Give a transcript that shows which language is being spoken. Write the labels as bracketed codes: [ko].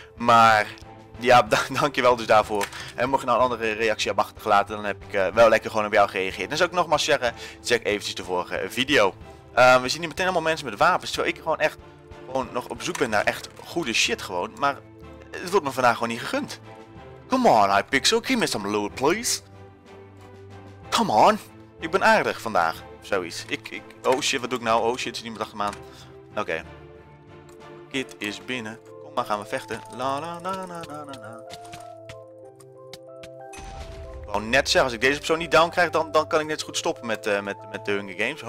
[nl] Maar ja, dankjewel dus daarvoor. En mocht je nou een andere reactie hebben achtergelaten, dan heb ik wel lekker gewoon op jou gereageerd. Dan zou ik nogmaals zeggen, check eventjes de vorige video. We zien hier meteen allemaal mensen met wapens, terwijl ik gewoon echt gewoon nog op zoek ben naar echt goede shit gewoon. Maar het wordt me vandaag gewoon niet gegund. [en] Come on, Hypixel, give me some loot, please. Come on. [nl] Ik ben aardig vandaag, zoiets. Oh shit, wat doe ik nou? Oh shit, is niemand achter me aan. Oké. Kit is binnen. Kom maar, gaan we vechten. La la la la la la la. Gewoon net zeggen, als ik deze persoon niet down krijg, dan kan ik net zo goed stoppen met de Hunger Games.